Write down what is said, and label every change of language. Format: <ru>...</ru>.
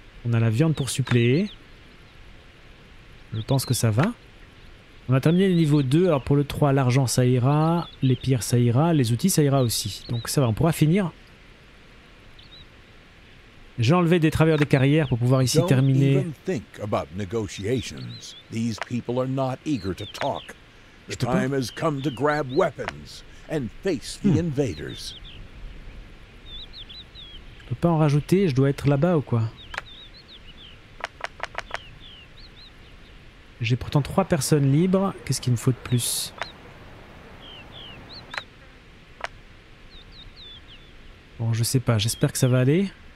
<fr>On a la viande pour suppléer. Je pense que ça va. On a terminé le niveau 2, alors pour le 3, l'argent ça ira, les pierres ça ira, les outils ça ira aussi. Donc ça va, on pourra finir. J'ai enlevé des travailleurs des carrières pour pouvoir ici terminer.</fr> <en>Don't even think about negotiations. These people are not eager to talk. The time has come to grab weapons and face the invaders.</en> <fr>Je peux pas en rajouter, je dois être là-bas ou quoi? J'ai pourtant 3 personnes libres. Qu'est-ce qu'il me faut de plus? Bon, je sais pas. J'espère que ça va aller.</fr>